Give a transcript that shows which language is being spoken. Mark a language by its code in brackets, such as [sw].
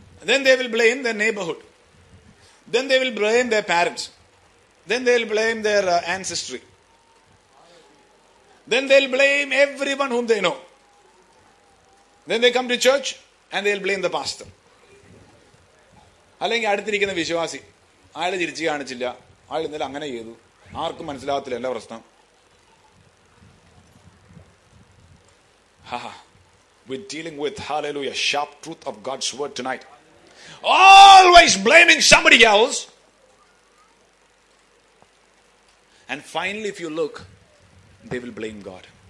[en] Then they will blame their neighborhood. Then they will blame their parents. Then they will blame their ancestry. Then they'll blame everyone whom they know. Then they come to church and they'll blame the pastor. [ml] അല്ലെങ്കിൽ അടുത്തിരിക്കുന്ന വിശ്വാസി, അയാളെ തിരിച്ചു കാണിച്ചില്ല, അയാൾ ഇന്നലെ അങ്ങനെ ചെയ്തു, ആർക്കും മനസ്സിലാകത്തില്ല, എല്ലാ പ്രശ്നം. [en] We're dealing with, hallelujah, sharp truth of God's word tonight. Always blaming somebody else. And finally, if you look, they will blame God.